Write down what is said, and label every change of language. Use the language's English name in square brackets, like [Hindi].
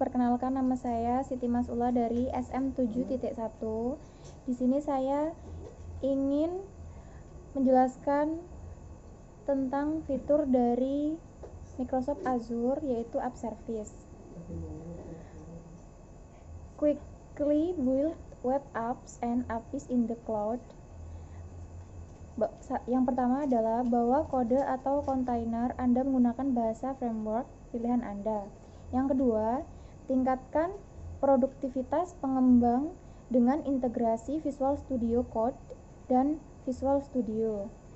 [Indonesian] Perkenalkan nama saya Siti Masula dari SM7.1. Di sini saya ingin menjelaskan tentang fitur dari Microsoft Azure yaitu App Service. [English] Quickly build web apps and apps in the cloud. [Indonesian] Yang pertama adalah bahwa kode atau container Anda menggunakan bahasa framework pilihan Anda. Yang kedua, tingkatkan produktivitas pengembang dengan integrasi Visual Studio Code dan Visual Studio.